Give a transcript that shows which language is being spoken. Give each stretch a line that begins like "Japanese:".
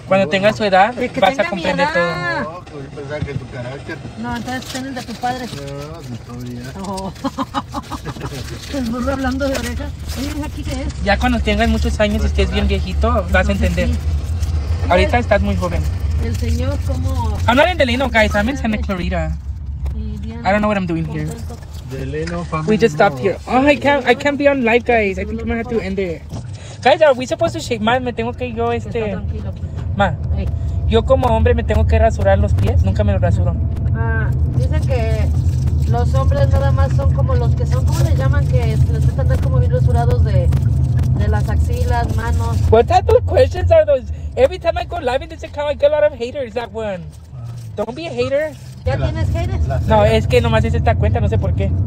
Spanish: Cuando tenga su edad, que vas a comprender todo. No, pues pensaba que tu carácter. No, entonces ten el de tu padre. No, todavía. Oh. El burro hablando de orejas. Oye, ¿aquí qué es? Ya cuando tengas muchos años y estés bien viejito, vas a entender. Sí. Ahorita estás muy joven. El señor, ¿cómo?
English: I'm not in Delano, guys. I'm in Santa Clarita. I don't know what I'm doing here. Delano family. We just stopped here. Oh, I can't be on live, guys. I think I'm going to have to end it. Guys, are we supposed to shave?
Spanish: Ma, me tengo que yo, este... Está tranquilo. Ma, hey. Yo como hombre me tengo que rasurar los pies. Nunca me los rasuro. Ah, dicen que los hombres nada más son como los que son... ¿Cómo les llaman? Que les gusta andar como bien rasurados de las axilas, manos.
English: What type of questions are those? Every time I go live in this account, I get a lot of haters, that one. Don't be a hater.
Spanish: ¿Ya tienes haters? No, es que nomás es esta cuenta, no sé por qué.